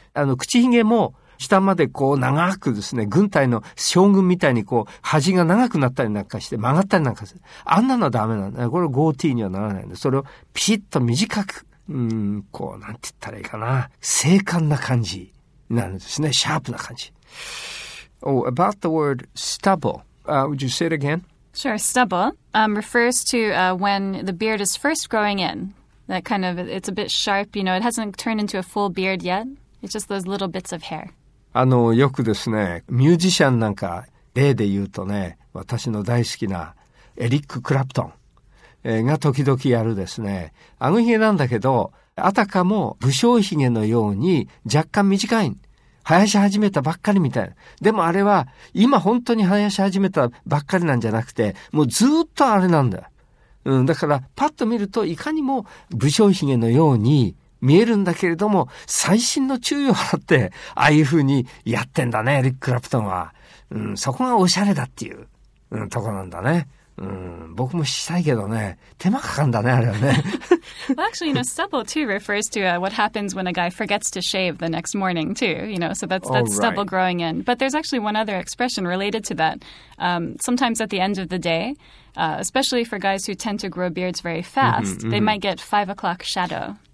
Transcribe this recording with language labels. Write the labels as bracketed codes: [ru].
[ja] あの口ひげも下までこう長くですね、軍隊の将軍みたいにこう端が長くなったりなんかして曲がったりなんかする。あんなのはダメなんだ。これゴーティーにはならないんで、それをピシッと短く、こうなんて言ったらいいかな、精悍な感じなんですね、シャープな感じ。 [en] Oh, about the word stubble. Would you say it again? Sure. Stubble refers to when the beard is first growing in. That kind of, it's a bit sharp, you know, it hasn't turned into a full beard yet. It's just those little bits of hair. [ja] あのよくですね、ミュージシャンなんか例で言うとね、私の大好きなエリック・クラプトンが時々やるですね、あごひげなんだけど、あたかも武将ひげのように若干短い、生やし始めたばっかりみたいな。でもあれは今本当に生やし始めたばっかりなんじゃなくて、もうずっとあれなんだ、だからパッと見るといかにも武将ひげのように見えるんだけれども、細心の注意を払ってああいう風にやってんだね、エリック・クラプトンは。そこがおしゃれだっていう、とこなんだね。僕もしたいけどね、手間かかんだね、あれはね。 [en] Well, actually, you know, stubble too refers to what happens when a guy forgets to shave the next morning too. You know, so that's stubble growing in. But there's actually one other expression related to that. Sometimes at the end of the day, especially for guys who tend to grow beards very fast, they might get 5 o'clock shadow.